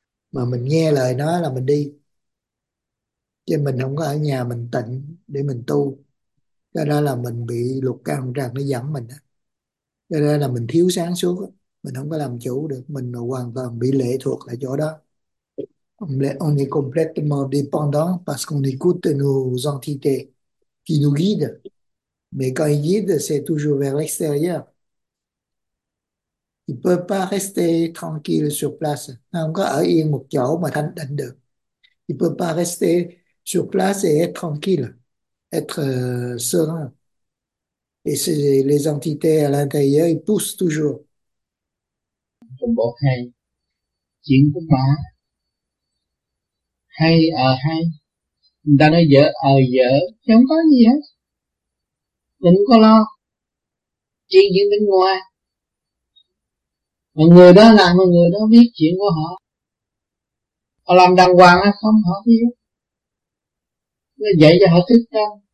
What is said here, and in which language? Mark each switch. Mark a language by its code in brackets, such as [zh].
[vi] Mà mình nghe lời nó là mình đi. Chứ mình không có ở nhà mình tịnh để mình tu. Cho đó là mình bị lục căn lục trần nó dẫm mình đó. Cho đó là mình thiếu sáng suốt đó. Mình không có làm chủ được, mình hoàn toàn bị lệ thuộc ở chỗ đó. [fr] On est complètement dépendant parce qu'on écoute nos entités qui nous guident. Mais quand ils guident, c'est toujours vers l'extérieur. Ils ne peuvent pas rester tranquilles sur place. [vi] Không có ở yên một chỗ mà thanh tịnh được. [fr] Ils ne peuvent pas rester sur place et être tranquille, être serein. Et les entités à l'intérieur, ils poussent toujours. [vi] Trong bộ hay chuyện của má hay ở hay người ta nói dở ở dở chứ không có gì hết, đừng có lo chuyện bên ngoài, mà người đó làm mà người đó biết chuyện của họ, họ làm đàng hoàng hay không họ biết, nó dạy cho họ thức tâm.